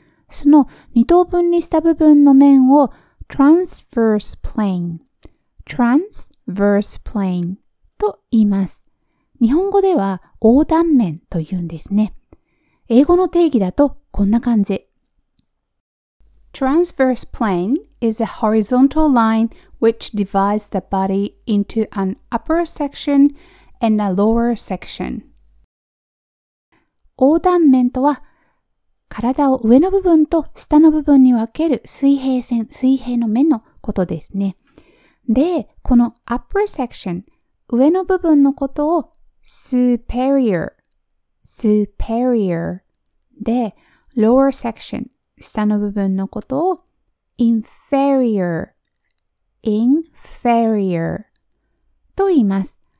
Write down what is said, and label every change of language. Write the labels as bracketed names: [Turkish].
[Japanese] その二等分にした部分の面を transverse plane。 transverse plane と言います。日本語では横断面と言うんですね。英語の定義だとこんな感じ。 [English] Transverse plane is a horizontal line which divides the body into an upper section and a lower section. [Japanese] 横断面とは体を上の部分と下の部分に分ける水平線、水平の面のことですね。で、この upper section、上の部分のことを superior、superior で、lower section、下の部分のことを inferior、inferior と言います。